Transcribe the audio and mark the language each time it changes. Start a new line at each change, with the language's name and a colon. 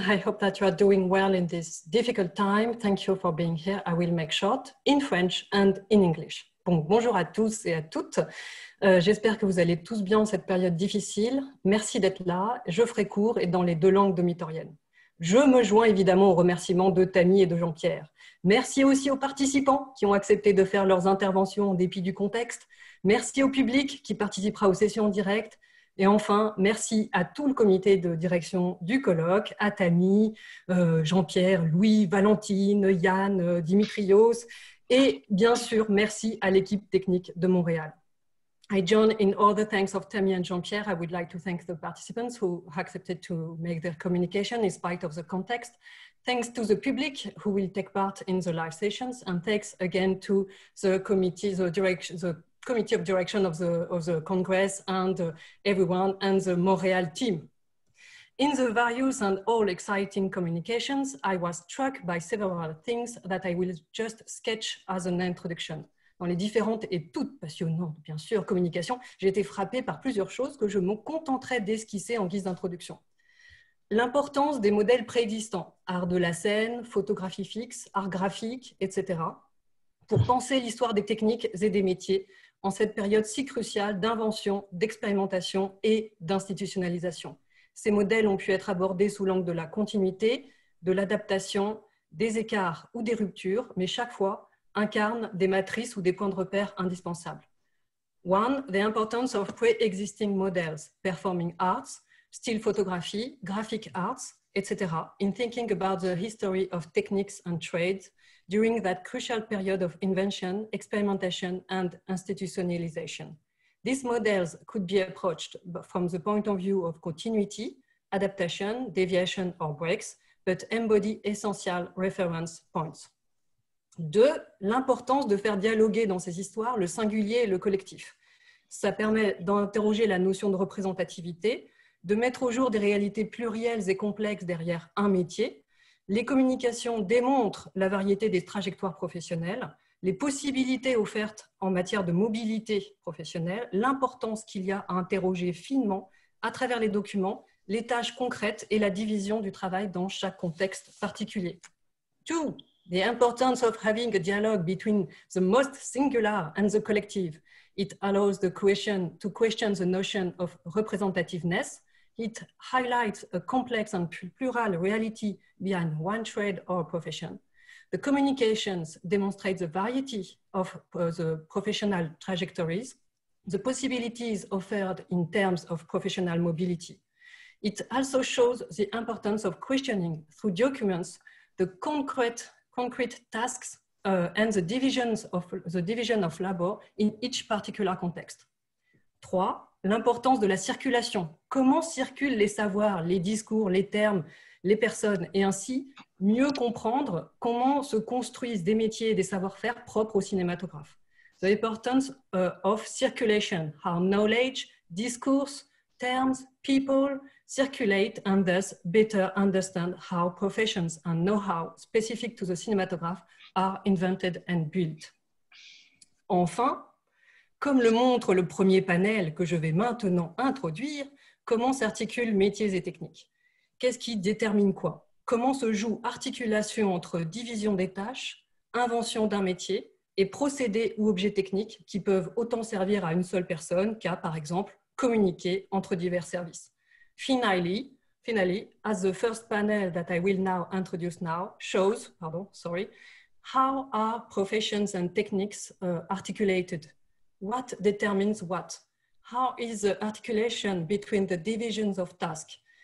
English: I hope that you are doing well in this difficult time. Thank you for being here. I will make short in French and in English.
French: Bon, bonjour à tous et à toutes. J'espère que vous allez tous bien en cette période difficile. Merci d'être là. Je ferai court et dans les deux langues domitoriennes. Je me joins évidemment aux remerciements de Tammy et de Jean-Pierre. Merci aussi aux participants qui ont accepté de faire leurs interventions en dépit du contexte. Merci au public qui participera aux sessions en direct. Et enfin, merci à tout le comité de direction du colloque, à Tammy, Jean-Pierre, Louis, Valentine, Yann, Dimitrios, et bien sûr, merci à l'équipe technique de Montréal.
English: I join in all the thanks of Tammy and Jean-Pierre. I would like to thank the participants who accepted to make their communication in spite of the context. Thanks to the public who will take part in the live sessions, and thanks again to the committee, the committee of direction of the Congress and everyone and the Montréal team. In the various and all exciting communications, I was struck by several things that I will just sketch as an introduction.
French: Dans les différentes et toutes passionnantes, bien sûr, communications, j'ai été frappée par plusieurs choses que je me contenterai d'esquisser en guise d'introduction. L'importance des modèles préexistants, art de la scène, photographie fixe, art graphique, etc., pour penser l'histoire des techniques et des métiers en cette période si cruciale d'invention, d'expérimentation et d'institutionnalisation. Ces modèles ont pu être abordés sous l'angle de la continuité, de l'adaptation, des écarts ou des ruptures, mais chaque fois incarnent des matrices ou des points de repère indispensables.
English: One, the importance of pre-existing models, performing arts, still photography, graphic arts, etc., in thinking about the history of techniques and trades during that crucial period of invention, experimentation, and institutionalization. These models could be approached from the point of view of continuity, adaptation, deviation, or breaks, but embody essential reference points.
French: Deux, l'importance de faire dialoguer dans ces histoires le singulier et le collectif. Ça permet d'interroger la notion de représentativité, de mettre au jour des réalités plurielles et complexes derrière un métier. Les communications démontrent la variété des trajectoires professionnelles, les possibilités offertes en matière de mobilité professionnelle, l'importance qu'il y a à interroger finement, à travers les documents, les tâches concrètes et la division du travail dans chaque contexte particulier.
English: Two, the importance of having a dialogue between the most singular and the collective. It allows the question to question the notion of representativeness. It highlights a complex and plural reality behind one trade or profession. The communications demonstrate the variety of the professional trajectories, the possibilities offered in terms of professional mobility. It also shows the importance of questioning through documents the concrete tasks and the division of labor in each particular context.
French: Trois, l'importance de la circulation. Comment circulent les savoirs, les discours, les termes, les personnes, et ainsi mieux comprendre comment se construisent des métiers et des savoir-faire propres au cinématographe.
English: The importance of circulation, how knowledge, discourse, terms, people circulate and thus better understand how professions and know-how specific to the cinematograph are invented and built.
French: Enfin, comme le montre le premier panel que je vais maintenant introduire, comment s'articulent métiers et techniques? Qu'est-ce qui détermine quoi? Comment se joue articulation entre division des tâches, invention d'un métier et procédés ou objets techniques qui peuvent autant servir à une seule personne qu'à, par exemple, communiquer entre divers services?
English: Finally, as the first panel that I will now introduce now shows, how are professions and techniques articulated? What determines what? How is the articulation between the divisions of task?